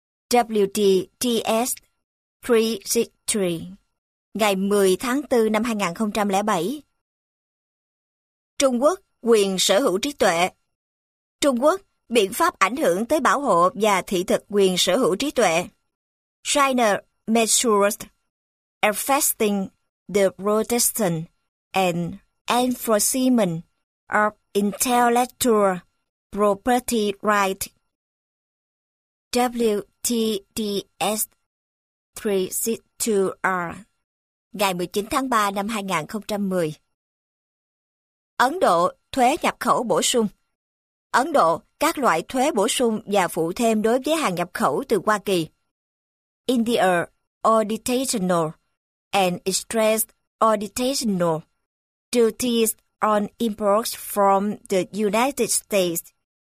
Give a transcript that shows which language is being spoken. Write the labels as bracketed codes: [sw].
[vi] WTTS 363 ngày 10 tháng 4 năm 2007. Trung Quốc, quyền sở hữu trí tuệ. Trung Quốc, biện pháp ảnh hưởng tới bảo hộ và thị thực quyền sở hữu trí tuệ. [en] China measures affecting the protection and enforcement of intellectual property right. [vi] WTDS 362R ngày 19 tháng 3 năm 2010. Ấn Độ, thuế nhập khẩu bổ sung. Ấn Độ, các loại thuế bổ sung và phụ thêm đối với hàng nhập khẩu từ Hoa Kỳ. [en] India Additional and Extra Additional Duties on Imports from the United States.